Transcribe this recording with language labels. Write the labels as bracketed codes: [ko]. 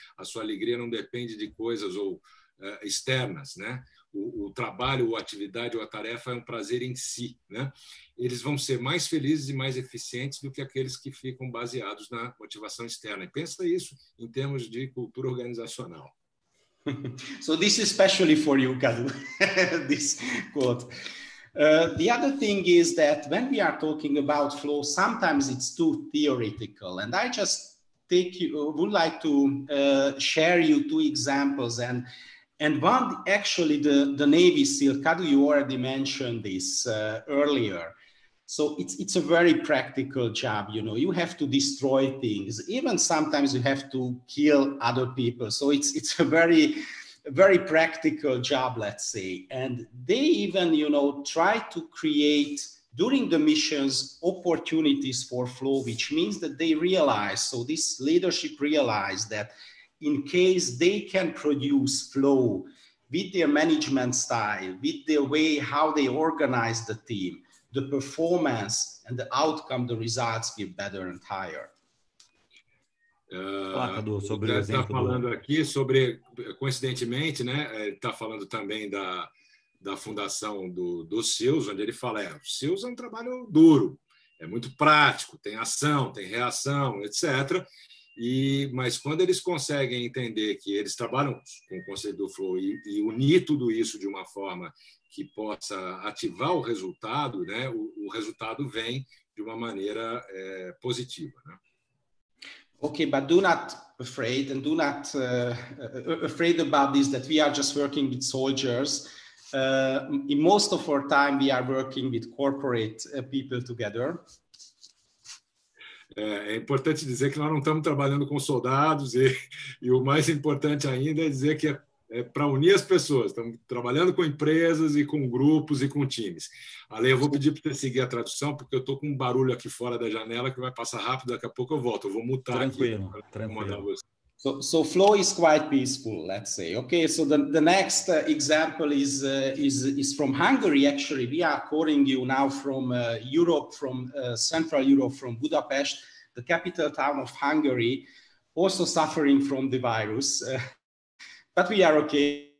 [pt] A sua alegria não depende de coisas ou externas, né? O trabalho, ou atividade ou a tarefa é um prazer em si, né? Eles vão ser mais felizes e mais eficientes do que aqueles que ficam baseados na motivação externa. E pensa isso em termos de cultura organizacional. [en] So this is especially for you, Kadu, this quote. The other thing is that when we are talking about flow, sometimes it's too theoretical. And I just would like to share you two examples. And one, actually, the Navy SEAL, Kadu, you already mentioned this earlier. So it's a very practical job, you know. You have to destroy things. Even sometimes you have to kill other people. So it's a very, very practical job, let's say. And they even, you know, try to create during the missions, opportunities for flow, which means that they realize, so this leadership realized that in case they can produce flow with their management style, with the way how they organize the team, the performance and the outcome, the results get better and higher. [pt] Sobre o exemplo tá falando aqui sobre, coincidentemente, né, ele está falando também da fundação do SEALS, onde ele fala, o SEALS é um trabalho duro, é muito prático, tem ação, tem reação, etc. Mas quando eles conseguem entender que eles trabalham com o conceito do flow e unir tudo isso de uma forma que possa ativar o resultado, né, o resultado vem de uma maneira positiva, né? [en] Okay, but do not afraid and do not afraid about this, that we are just working with soldiers. In most of our time, we are working with corporate people together. [pt] É importante dizer que nós não estamos trabalhando com soldados e o mais importante ainda é dizer que é para unir as pessoas. Estamos trabalhando com empresas e com grupos e com times. Ale, eu vou pedir para você seguir a tradução, porque eu estou com um barulho aqui fora da janela que vai passar rápido, daqui a pouco eu volto. Eu vou mutar tranquilo, aqui. Tranquilo. [en] So flow is quite peaceful, let's say. Okay, so the next example is from Hungary, actually. We are calling you now from Europe, from Central Europe, from Budapest, the capital town of Hungary, also suffering from the virus. But we are okay.